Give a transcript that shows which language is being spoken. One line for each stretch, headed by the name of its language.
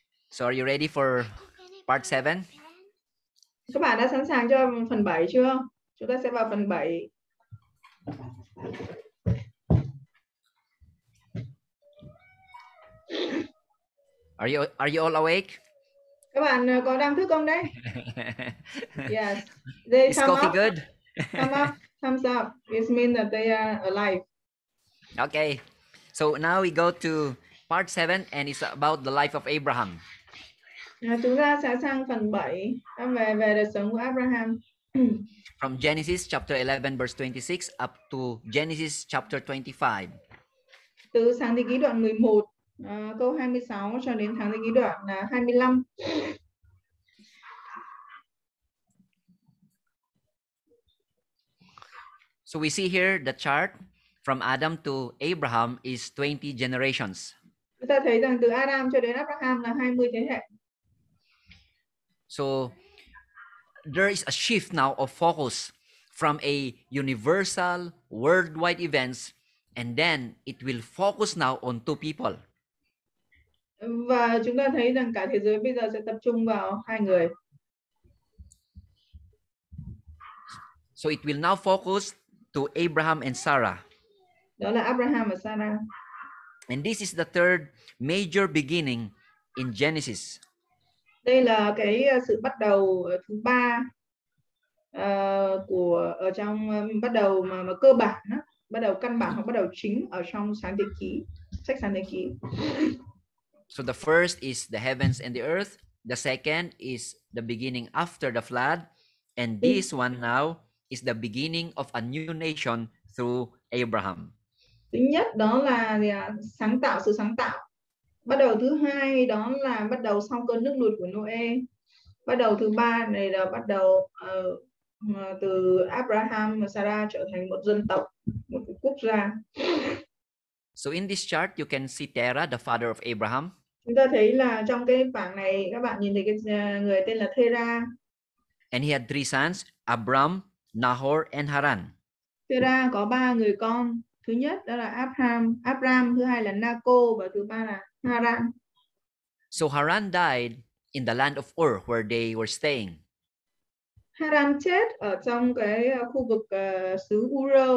English: So are you ready for part 7?
Vietnamese: Các bạn đã sẵn sàng cho phần 7 chưa? Chúng ta sẽ vào phần 7.
English: Are you all awake?
Vietnamese: Các bạn có đang thức không đấy?
English: Yes. They Is coffee up, good? Thumbs up. It means that they are alive. Okay. So now we go to part 7 and it's about the life of Abraham.
Vietnamese: Chúng ta sẽ sang phần 7 về đời sống của Abraham.
English: From Genesis chapter 11 verse 26 up to Genesis chapter 25.
Vietnamese: Từ sáng thế ký đoạn 11 câu 26 cho đến tháng thế ký đoạn 25.
English: So we see here the chart from Adam to Abraham is 20 generations.
Vietnamese: Chúng ta thấy rằng từ Adam cho đến Abraham là 20 thế hệ.
English: So there is a shift now of focus from a universal worldwide events and then it will focus now on two people.
Vietnamese: Và chúng ta thấy rằng cả thế giới bây giờ sẽ tập trung vào hai người.
English: So it will now focus to Abraham and Sarah.
Vietnamese: Đó là Abraham và Sarah.
English: And this is the third major beginning in Genesis.
Vietnamese: Đây là cái sự bắt đầu thứ ba của ở trong bắt đầu mà cơ bản á, bắt đầu căn bản hoặc bắt đầu chính ở trong Sáng Thế Ký, sách Sáng Thế Ký.
English: So the first is the heavens and the earth, the second is the beginning after the flood, and this one now is the beginning of a new nation through Abraham.
Vietnamese: Thứ nhất đó là sáng tạo, sự sáng tạo. Bắt đầu thứ hai đó là bắt đầu sau cơn nước lụt của Noe. Bắt đầu thứ ba này là bắt đầu từ Abraham và Sarah trở thành một dân tộc, một quốc gia.
English: So in this chart you can see Terah, the father of Abraham.
Vietnamese: Chúng ta thấy là trong cái bảng này các bạn nhìn thấy cái người tên là Terah.
English: And he had three sons, Abram, Nahor and Haran.
Vietnamese: Terah có ba người con. Thứ nhất đó là Abram, thứ hai là Naco và thứ ba là Haran.
English: So Haran died in the land of Ur where they were staying.
Vietnamese: Haran chết ở trong cái khu vực xứ Ur.